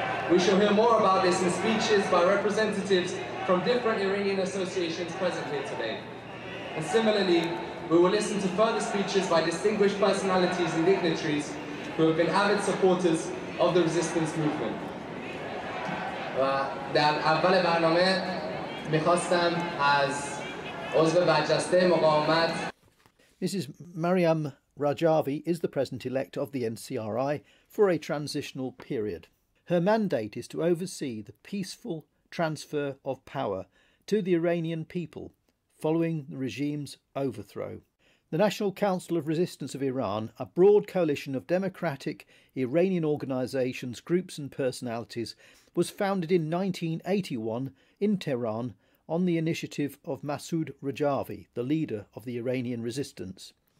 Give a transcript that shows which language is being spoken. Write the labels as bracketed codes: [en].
[en] We shall hear more about this in speeches by representatives from different Iranian associations present here today. And similarly, we will listen to further speeches by distinguished personalities and dignitaries who have been avid supporters of the resistance movement. [fa] در اول برنامه می‌خواستم از عضو برجسته مقاومت. [en] Mrs. Maryam Rajavi is the president-elect of the NCRI for a transitional period. Her mandate is to oversee the peaceful transfer of power to the Iranian people following the regime's overthrow. The National Council of Resistance of Iran, a broad coalition of democratic Iranian organisations, groups and personalities, was founded in 1981 in Tehran on the initiative of Masoud Rajavi, the leader of the Iranian Resistance.